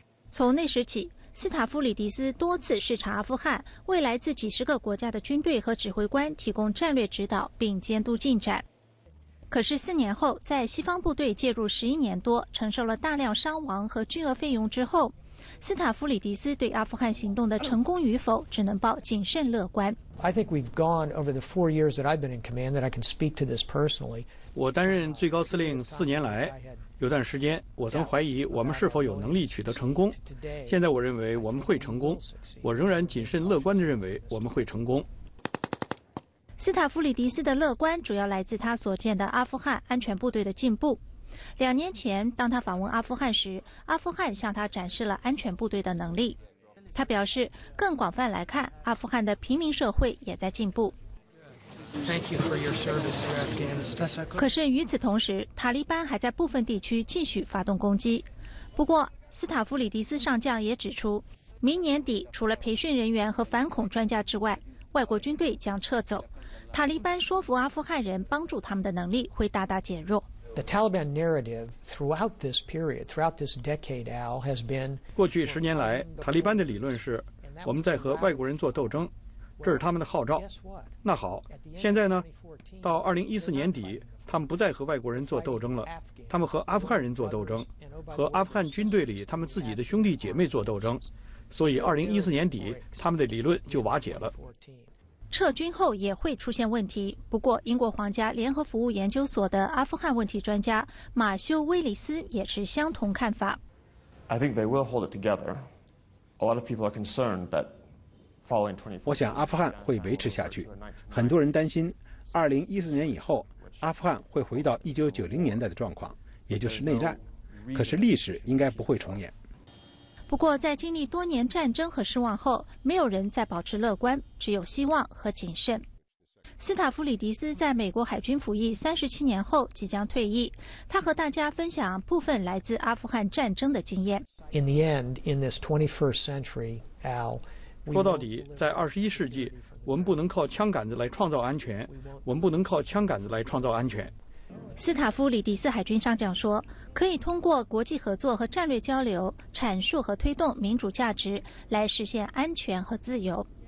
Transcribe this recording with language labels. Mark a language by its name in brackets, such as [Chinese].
[Chinese] 从那时起，斯塔夫里迪斯多次视察阿富汗，为来自几十个国家的军队和指挥官提供战略指导并监督进展。可是四年后，在西方部队介入11年多，承受了大量伤亡和巨额费用之后，斯塔夫里迪斯对阿富汗行动的成功与否只能抱谨慎乐观。 [English] I think we've gone over the 4 years that I've been in command that I can speak to this personally. [Chinese] 我担任最高司令四年来，有段时间我曾怀疑我们是否有能力取得成功。现在我认为我们会成功，我仍然谨慎乐观地认为我们会成功。斯塔夫里迪斯的乐观主要来自他所见的阿富汗安全部队的进步。 2年前，当他访问阿富汗时，阿富汗向他展示了安全部队的能力。他表示，更广泛来看，阿富汗的平民社会也在进步。可是与此同时，塔利班还在部分地区继续发动攻击。不过，斯塔夫里迪斯上将也指出，明年底除了培训人员和反恐专家之外，外国军队将撤走。塔利班说服阿富汗人帮助他们的能力会大大减弱。 [English] The Taliban narrative throughout this period, throughout this decade, Al, has been. [Chinese] 过去十年来，塔利班的理论是，我们在和外国人做斗争，这是他们的号召。那好，现在呢？到2014年底，他们不再和外国人做斗争了，他们和阿富汗人做斗争，和阿富汗军队里他们自己的兄弟姐妹做斗争。所以2014年底，他们的理论就瓦解了。撤军后也会出现问题，不过英国皇家联合服务研究所的阿富汗问题专家马修·威里斯也是相同看法。 [English] I think they will hold it together. A lot of people are concerned that following 2014, [Chinese] 我想阿富汗会维持下去。很多人担心2014年以后，阿富汗会回到1990年代的状况，也就是内战。可是历史应该不会重演。不过在经历多年战争和失望后，没有人再保持乐观，只有希望和谨慎。斯塔夫里迪斯在美国海军服役37年后即将退役，他和大家分享部分来自阿富汗战争的经验。 [English] In the end, in this 21st century, Al, [Chinese] 说到底，在21世纪，我们不能靠枪杆子来创造安全，我们不能靠枪杆子来创造安全。斯塔夫里迪斯海军上将说，可以通过国际合作和战略交流，阐述和推动民主价值，来实现安全和自由。